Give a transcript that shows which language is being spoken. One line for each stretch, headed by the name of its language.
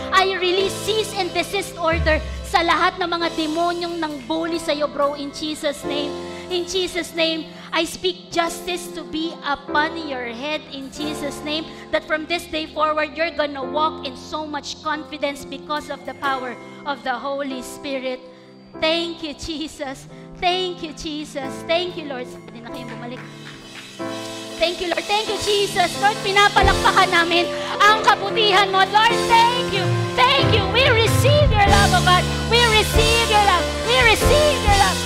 English: I release cease and desist order
Filipino: sa lahat ng mga demonyong nang bully sa iyo,
English: bro, in Jesus' name. In Jesus' name, I speak justice to be upon your head in Jesus' name, that from this day forward, you're gonna walk in so much confidence because of the power of the Holy Spirit. Thank you, Jesus. Thank you, Jesus. Thank you, Lord.
Filipino: Hindi na kayong bumalik.
English: Thank you, Lord. Thank you, Jesus.
Filipino: Lord, pinapalakpakan namin ang kabutihan mo.
English: Lord, thank you. Thank you. We receive your love, oh God. We receive your love. We receive your love.